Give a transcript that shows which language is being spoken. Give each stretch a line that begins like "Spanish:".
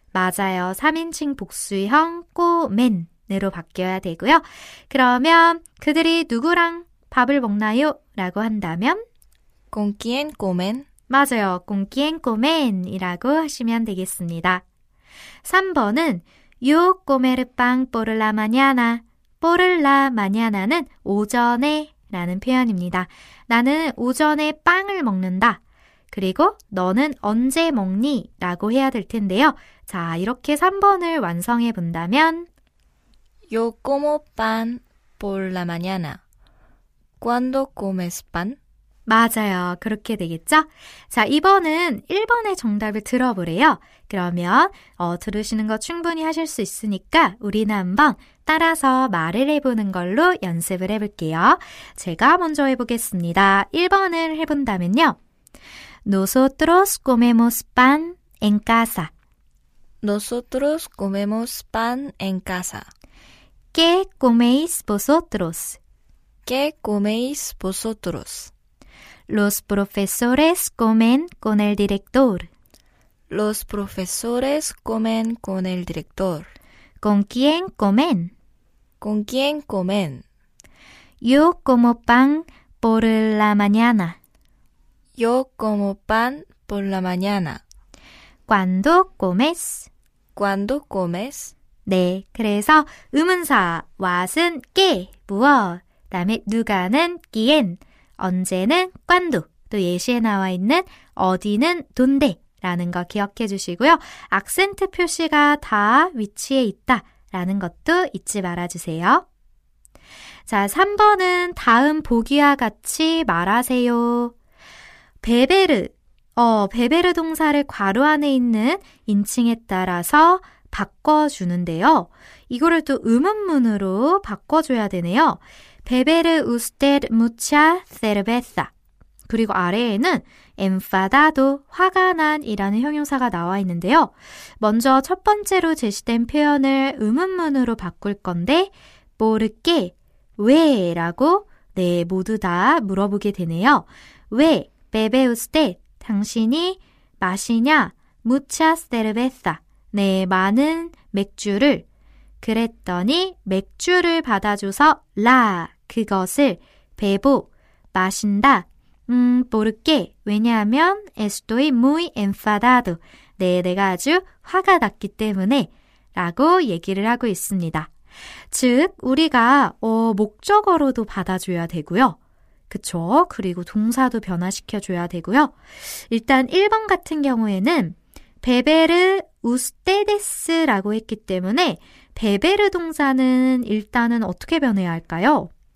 Korean: 맞아요. 3인칭 복수형 꼬멘으로 바뀌어야 되고요. 그러면 그들이 누구랑 밥을 먹나요? 라고 한다면
Spanish: con quién comen?
Korean: 맞아요.
Spanish: con quién comen
Korean: 이라고 하시면 되겠습니다. 3번은
Spanish: yo comer pan por la mañana. por la mañana
Korean: 는 오전에 라는 표현입니다. 나는 오전에 빵을 먹는다. 그리고 너는 언제 먹니? 라고 해야 될 텐데요. 자, 이렇게 3번을 완성해 본다면
Spanish: Yo como pan por la mañana. ¿Cuándo comes pan?
Korean: 맞아요. 그렇게 되겠죠? 자, 이번은 1번의 정답을 들어보래요. 그러면 들으시는 거 충분히 하실 수 있으니까 우리는 한번 따라서 말을 해보는 걸로 연습을 해볼게요. 제가 먼저 해보겠습니다. 1번을 해본다면요.
Spanish: Nosotros comemos pan en casa. Nosotros comemos pan en casa. ¿Qué coméis vosotros? ¿Qué coméis vosotros? Los profesores comen con el director. Los profesores comen con el director. ¿Con quién comen? ¿Con quién comen? Yo como pan por la mañana. Yo como pan por la mañana. ¿Cuándo comes? ¿Cuándo comes?
Korean: 네, 그래서 의문사 what은 qué, 무엇, 다음에 누가는 quién. 언제는 관두, 또 예시에 나와 있는 어디는 돈데 라는 거 기억해 주시고요. 악센트 표시가 다 위치에 있다 라는 것도 잊지 말아 주세요. 자, 3번은 다음 보기와 같이 말하세요. 베베르, 베베르 동사를 괄호 안에 있는 인칭에 따라서 바꿔주는데요. 이거를 또 의문문으로 바꿔줘야 되네요.
Spanish: Bebe usted mucha cerveza.
Korean: 그리고 아래에는 enfadado, 화가 난 이라는 형용사가 나와 있는데요. 먼저 첫 번째로 제시된 표현을 의문문으로 바꿀 건데
Spanish: por qué,
Korean: 왜? 라고 네, 모두 다 물어보게 되네요. 왜?
Spanish: Bebe usted,
Korean: 당신이 마시냐?
Spanish: mucha cerveza,
Korean: 네, 많은 맥주를. 그랬더니 맥주를 받아줘서 라, 그것을 베보, 마신다. 모르게, 왜냐하면
Spanish: estoy muy enfadado.
Korean: 네, 내가 아주 화가 났기 때문에 라고 얘기를 하고 있습니다. 즉, 우리가 목적어로도 받아줘야 되고요. 그쵸? 그리고 동사도 변화시켜줘야 되고요. 일단 1번 같은 경우에는 베베르 우스테데스라고 했기 때문에 베베르 동사는 일단은 어떻게 변해야 할까요?